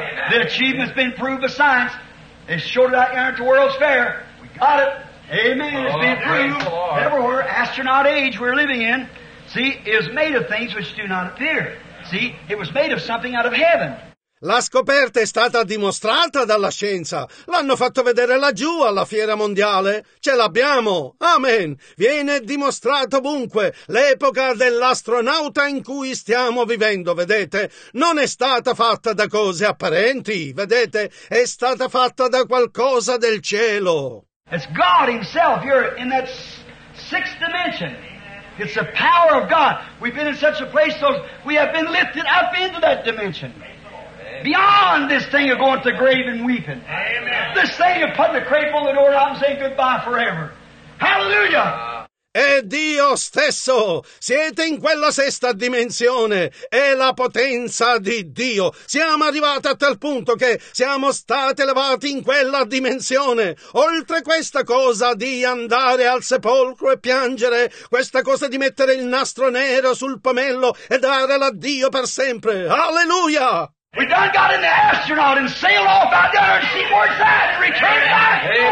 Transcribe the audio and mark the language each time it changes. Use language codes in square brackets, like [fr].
[en] The achievement's been proved by science. It's short out there at the World's Fair. We got it. Amen. It's been proved everywhere. Astronaut age we're living in, see, is made of things which do not appear. See, it was made of something out of heaven. [it] La scoperta è stata dimostrata dalla scienza. L'hanno fatto vedere laggiù alla fiera mondiale. Ce l'abbiamo. Amen. Viene dimostrato ovunque. L'epoca dell'astronauta in cui stiamo vivendo, vedete, non è stata fatta da cose apparenti. Vedete, è stata fatta da qualcosa del cielo. [en] It's God himself. You're in that sixth dimension. It's the power of God. We've been in such a place, so we have been lifted up into that dimension. Beyond this thing of going to the grave and weeping. Amen. This thing of putting the crape on the door out and saying goodbye forever. Hallelujah! [it] È Dio stesso! Siete in quella sesta dimensione! È la potenza di Dio! Siamo arrivati a tal punto che siamo stati elevati in quella dimensione! Oltre questa cosa di andare al sepolcro e piangere, questa cosa di mettere il nastro nero sul pomello e dare l'addio per sempre! Alleluia! [en] We done got in the astronaut and sailed off out there and see where it's at and returned back.